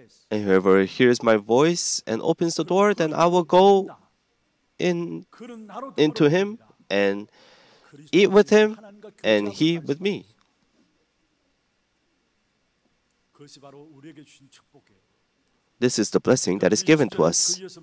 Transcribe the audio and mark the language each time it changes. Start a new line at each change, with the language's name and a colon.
English: And whoever hears my voice and opens the door, then I will go into him and eat with him and he with me.
Korean: 그것이 바로 우리에게 주신 축복이에요.
English: This is the blessing that is given to us.